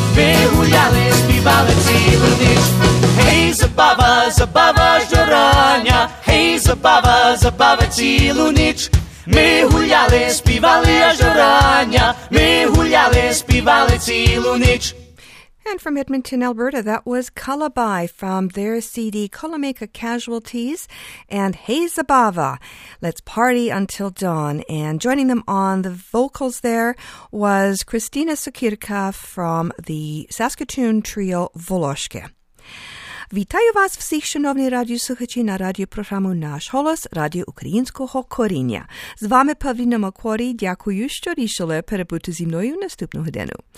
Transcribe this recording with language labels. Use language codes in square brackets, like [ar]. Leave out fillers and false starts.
[uk] Ми гуляли, співали цілу ніч. Ей, забава, забава ж до рання. Ей, забава, забава цілу ніч. Ми гуляли, співали аж до рання. Ми гуляли, співали цілу ніч. [en] And from Edmonton, Alberta, that was Cullaby from their CD Cullamaca Casualties and Hey Zabava, Let's Party Until Dawn. And joining them on the vocals there was Christina Sukirka from the Saskatoon trio Voloshke. [uk] Вітаю вас всіх, шановні радіослухачі, на радіопрограму «Наш голос» Радіо Українського коріння. З вами Павліна Макорі. Дякую, що рішили перебути зі мною наступну годину.